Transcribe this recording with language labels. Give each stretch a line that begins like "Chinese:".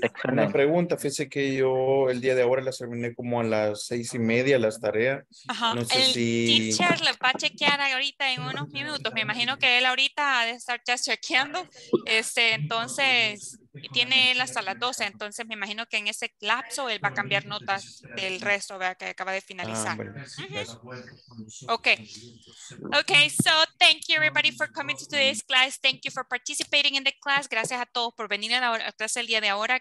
Spanish: una pregunta, fíjese que yo el día de ahora las terminé como a las 6:30 las tareas. Ajá. No sé el si... teacher la va a chequear ahorita en unos minutos, me imagino que él ahorita ha de estar ya chequeando, entonces tiene él hasta las 12, entonces me imagino que en ese lapso él va a cambiar notas del resto, ¿verdad? Que acaba de finalizar.
English: Okay, so thank you everybody for coming to today's class. Thank you for participating in the class.
Spanish: Gracias a todos por venir a la clase el día de ahora.